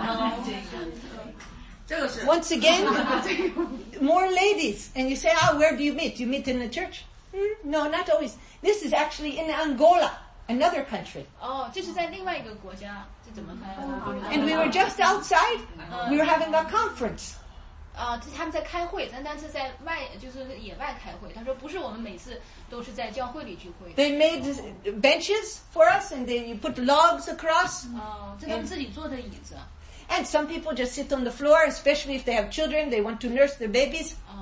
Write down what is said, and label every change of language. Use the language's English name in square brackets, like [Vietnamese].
[Chinese] 这就是那个工作站，就是他们传教士的工作站，在他可能在他家旁边那个房子。那就是一天就能建起来的房子。不是。 [English] Once again, more ladies, and you say, "Ah, where do you meet? Do you meet in the church?" No, not always. This is actually in Angola, another country. [Chinese] 这是在另外一个国家，这怎么翻？ [English] And we were just outside. We were having a conference. [Chinese] 他们在开会，但是在野外开会，他说不是我们每次都是在教会里聚会。 [English] They made benches for us and they put logs across. [Chinese] 这他们自己做的椅子。 [English] And some people just sit on the floor, especially if they have children, they want to nurse their babies.